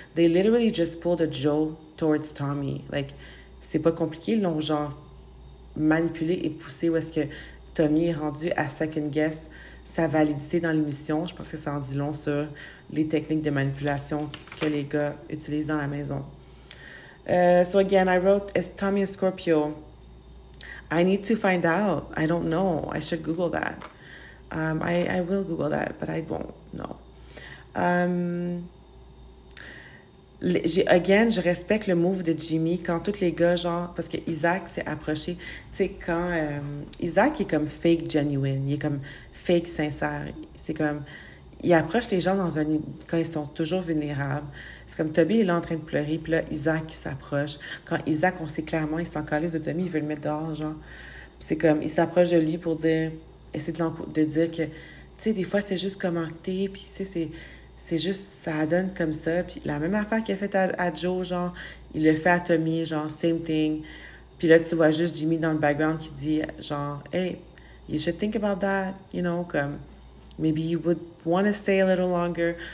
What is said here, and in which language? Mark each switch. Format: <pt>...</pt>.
<en>They literally just pulled a Joe towards Tommy.</en> <fr>Like, c'est pas compliqué, ils l'ont genre manipulé et poussé où est-ce que Tommy est rendu à second guess sa validité dans l'émission. Je pense que ça en dit long sur les techniques de manipulation que les gars utilisent dans la maison.</fr> <en>So again, I wrote, is Tommy a Scorpio? I need to find out. I don't know. I should Google that. I will Google that, but I won't know.</en> <fr>Again, je respecte le move de Jimmy quand tous les gars, genre, parce que Isaac s'est approché. Tu sais, quand Isaac est comme fake genuine, il est comme fake sincère. C'est comme, il approche les gens dans un, quand ils sont toujours vulnérables. C'est comme Toby est là en train de pleurer, puis là, Isaac s'approche. Quand Isaac, on sait clairement, il s'en calise de Toby, il veut le mettre dehors, genre. Puis c'est comme, il s'approche de lui pour dire, essayer de dire que, tu sais, des fois, c'est juste comment t'es, puis tu sais, c'est juste, ça donne comme ça. Puis la même affaire qu'il a faite à Joe, genre, il le fait à Tommy, genre,</fr> <en>same thing.</en> <fr>Puis là, tu vois juste Jimmy dans le background qui dit, genre,</fr> <en>hey, you should think about that, you know, comme, maybe you would want to stay a little longer.</en>